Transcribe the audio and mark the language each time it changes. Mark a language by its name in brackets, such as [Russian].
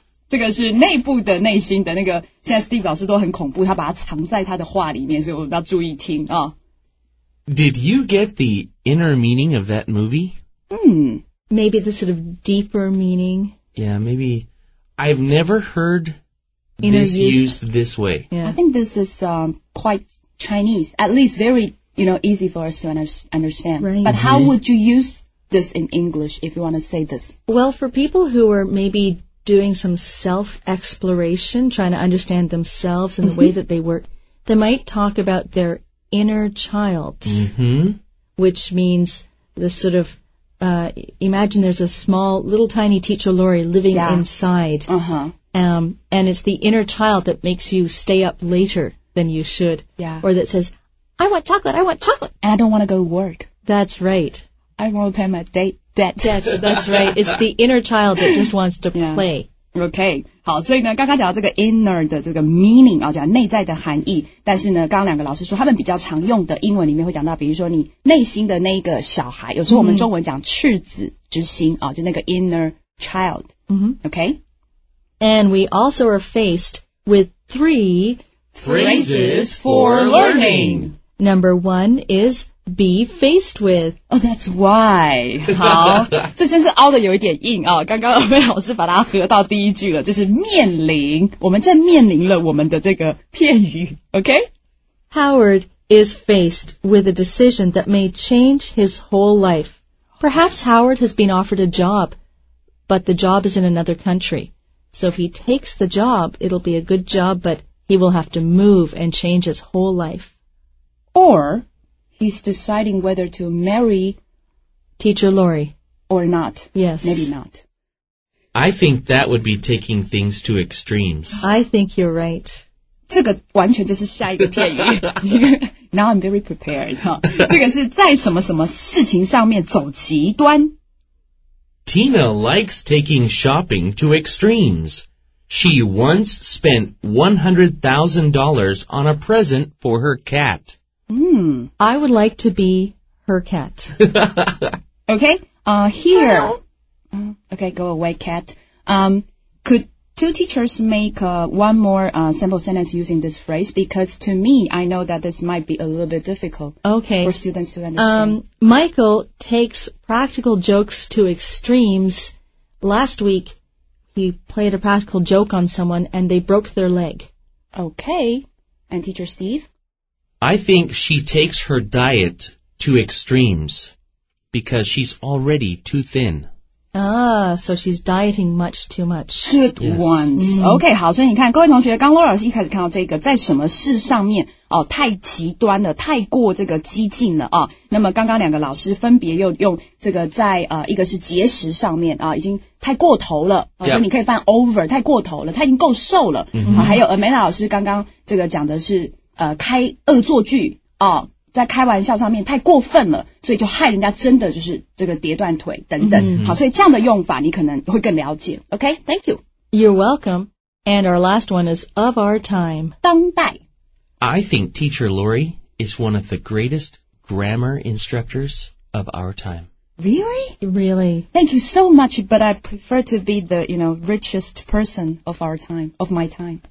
[Chinese] 这个是内部的内心的那个现在 Steve 老师都很恐怖他把它藏在他的话里面所以我们要注意听、哦、 [English] Did you get the inner meaning of that movie? Maybe the sort of deeper meaning. Yeah, maybe. I've never heard、 inner、 this used this way.、 Yeah. I think this is、quite... Chinese, at least very, you know, easy for us to understand. Right. But how would you use this in English if you want to say this? Well, for people who are maybe doing some self-exploration, trying to understand themselves and the way that they work, they might talk about their inner child, which means the sort of, imagine there's a small, little tiny teacher Lori living inside. And it's the inner child that makes you stay up later. Than you should. Yeah. Or that says, I want chocolate, I want chocolate. And I don't want to go to work. That's right. I want to pay my debt. Debt, that's right. It's the inner child that just wants to play. [Chinese] Okay. 好，所以呢，刚刚讲到这个 inner 的这个 meaning 啊，讲内在的含义。但是呢，刚刚两个老师说，他们比较常用的英文里面会讲到，比如说你内心的那个小孩，有时候我们中文讲赤子之心啊，就那个 inner child. [English] Okay. And we also are faced with three phrases for learning. Number 1 is be faced with. Oh, that's why. [Chinese] 好，这真是凹的有一点硬啊、哦！刚刚我们老师把它合到第一句了，就是面临，我们正面临了我们的这个片语。 [English] Okay, Howard is faced with a decision that may change his whole life. Perhaps Howard has been offered a job, but the job is in another country. So if he takes the job, it'll be a good job, but he will have to move and change his whole life. Or he's deciding whether to marry Teacher Lori. Or not. Yes. Maybe not. I think that would be taking things to extremes. I think you're right. [Chinese] 这个完全就是下一个片语。 [English] Now I'm very prepared. [Chinese] 这个是在什么什么事情上面走极端。 [English] Tina likes taking shopping to extremes. She once spent $100,000 on a present for her cat. I would like to be her cat. Okay, here. Okay, go away, cat. Could two teachers make one more simple sentence using this phrase? Because to me, I know that this might be a little bit difficult okay. for students to understand. Michael takes practical jokes to extremes. Last week, he played a practical joke on someone and they broke their leg. Okay. And teacher Steve? I think she takes her diet to extremes because she's already too thin. Ah, so she's dieting much too much. Good ones. [Chinese] Okay, 好，所以你看，各位同学，刚罗老师一开始看到这个，在什么事上面哦，太极端了，太过这个激进了啊、哦。那么刚刚两个老师分别又用这个在一个是节食上面啊、哦，已经太过头了，所以你可以放 over， 太过头了，他已经够瘦了。好、还有美娜老师刚刚这个讲的是开恶作剧啊。哦在开玩笑上面太过分了所以就害人家真的就是这个跌断腿等等、好所以这样的用法你可能会更了解 [English] OK thank you You're welcome And our last one is of our time [Chinese] 当代 [English] I think teacher Lori is one of the greatest grammar instructors of our time Really? Really Thank you so much but I prefer to be the you know richest person of our time of my time